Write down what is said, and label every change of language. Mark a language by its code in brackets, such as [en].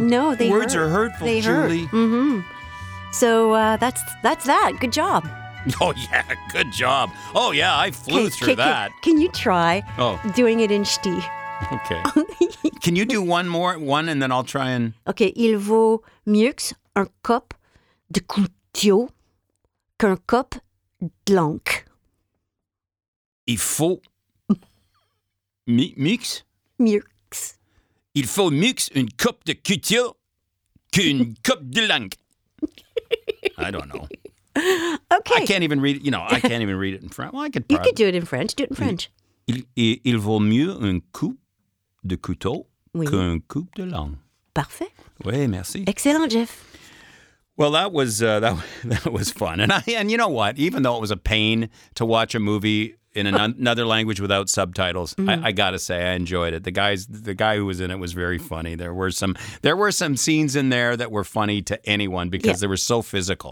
[en] No, they words hurt. Are hurtful, they Julie. Hurt. Mm-hmm. So that's that. Good job. Oh, yeah. Good job. Oh, yeah. I flew through that. Can you try doing it in Ch'ti? Okay. Can you do one more, and then I'll try and... Okay. [fr] Il vaut mieux un cop de couteau qu'un cop de langue. Il faut... Mix? [en] Mix. [fr] Il faut mix une coupe de couteau qu'une coupe de langue. [en] I don't know. Okay. I can't even read it. You know, I can't even read it in French. Well, I could probably. You could do it in French. Do it in French. [fr] Il vaut mieux une coupe de couteau qu'une coupe de langue. Parfait. Oui, merci. [en] Excellent, Jeff. Well, that was fun. And you know what? Even though it was a pain to watch a movie in another language without subtitles. Mm-hmm. I gotta say, I enjoyed it. The guy who was in it was very funny. There were some scenes in there that were funny to anyone because they were so physical.